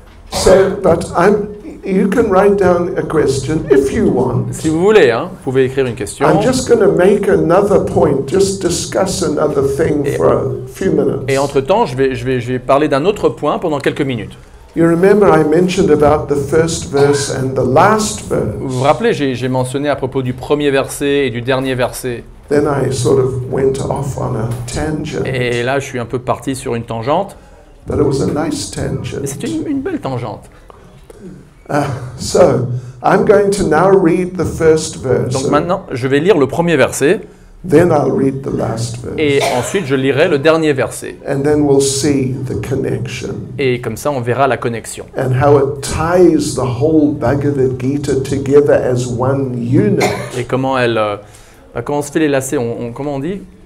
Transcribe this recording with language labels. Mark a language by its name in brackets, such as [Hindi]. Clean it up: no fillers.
[English] So, but you can write down a question if you want. [French] Si vous voulez, hein, vous pouvez écrire une question. [English] I'm just going to make another point, just discuss another thing for a few minutes. [French] Et entre-temps, je vais parler d'un autre point pendant quelques minutes. [English] You remember I mentioned about the first verse and the last verse. [French] Vous vous rappelez, j'ai mentionné à propos du premier verset et du dernier verset. [English] Then I sort of went off on a tangent. [French] Et là, je suis un peu parti sur une tangente. [English] But it was a nice tangent. [French] C'est une belle tangente. [English] So, I'm going to now read the first verse. [French] Donc maintenant, je vais lire le premier verset. [English] Then I'll read the last verse. [French] Et ensuite, je lirai le dernier verset. [English] And then we'll see the connection. [French] Et comme ça, on verra la connexion. [English] And how it ties the whole Bhagavad Gita together as one unit. [French] Et comment elle quand on se fait les lacets, comment on dit